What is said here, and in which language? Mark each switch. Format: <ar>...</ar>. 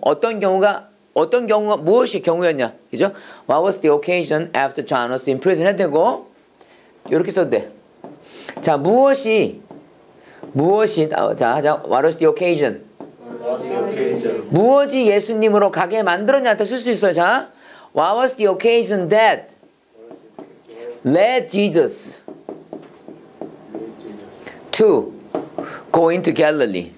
<ko>어떤 경우가 무엇이 경우였냐? 그죠?</ko> <en>What was the occasion after John was in prison?</en> <ko>해도 되고 이렇게 써도 돼. 자, 무엇이 자</ko> <en>what was the occasion?</en> <ko>무엇이 예수님으로 가게 만들었냐 할 쓸 수 있어요.</ko> <en>자, what was the occasion that led Jesus to go into Galilee?</en>